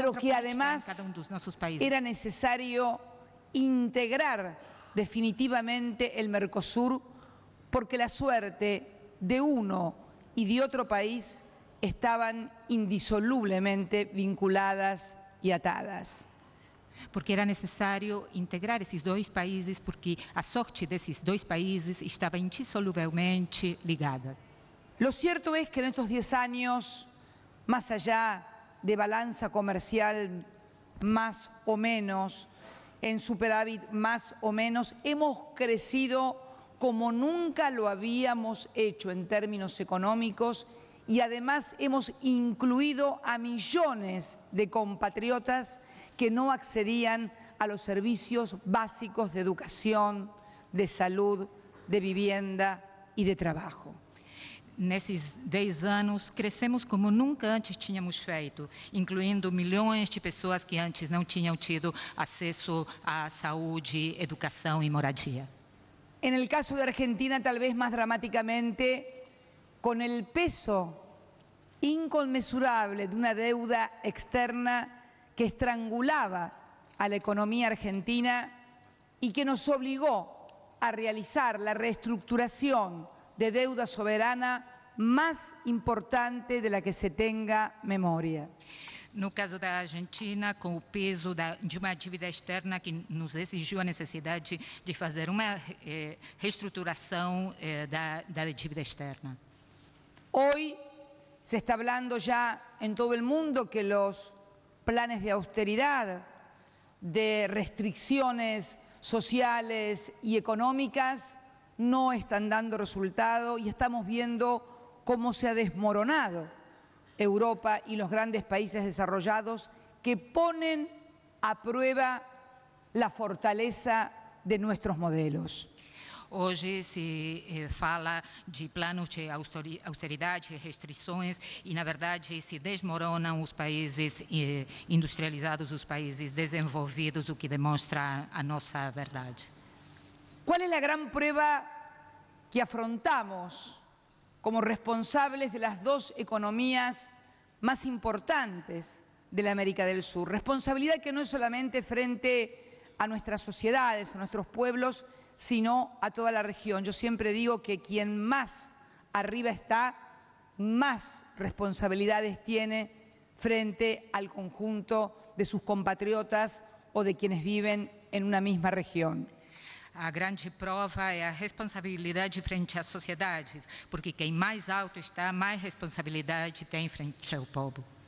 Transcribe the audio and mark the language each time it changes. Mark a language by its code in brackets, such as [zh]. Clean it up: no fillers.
[es] pero que además era necesario integrar definitivamente el Mercosur, porque la suerte de uno y de otro país estaban indisolublemente vinculadas y atadas. [pt] Porque era necessário integrar esses dois países, porque a sorte desses dois países estava indissoluvelmente ligada. [es] Lo cierto es que en estos 10 años, más allá de balanza comercial más o menos, en superávit más o menos, hemos crecido como nunca lo habíamos hecho en términos económicos y además hemos incluido a millones de compatriotas que no accedían a los servicios básicos de educación, de salud, de vivienda y de trabajo. [pt] Nesses 10 anos, crescemos como nunca antes tínhamos feito, incluindo milhões de pessoas que antes não tinham tido acesso à saúde, educação e moradia. [es] En el caso de Argentina, tal vez más dramáticamente, con el peso inconmensurable de una deuda externa que estrangulaba a la economía argentina y que nos obligó a realizar la reestructuración de deuda soberana más importante de la que se tenga memoria. [pt] No caso da Argentina, com o peso de uma dívida externa que nos exigiu a necessidade de fazer uma reestruturação da dívida externa. [es] Hoy se está hablando ya en todo el mundo que los planes de austeridad, de restricciones sociales y económicas no están dando resultado y estamos viendo cómo se ha desmoronado Europa y los grandes países desarrollados que ponen a prueba la fortaleza de nuestros modelos. [pt] Hoje se fala de planos de austeridade, restrições, e na verdade se desmoronam os países industrializados, os países desenvolvidos, o que demonstra a nossa verdade. Qual é a grande prova que afrontamos como responsáveis das duas economias mais importantes da América do Sul? Responsabilidade que não é solamente frente a nossas sociedades, a nossos povos, [es] sino a toda la región. Yo siempre digo que quien más arriba está, más responsabilidades tiene frente al conjunto de sus compatriotas o de quienes viven en una misma región. [pt] A grande prova é a responsabilidade frente às sociedades, [es] porque quien más alto está, más responsabilidad tiene frente al pueblo.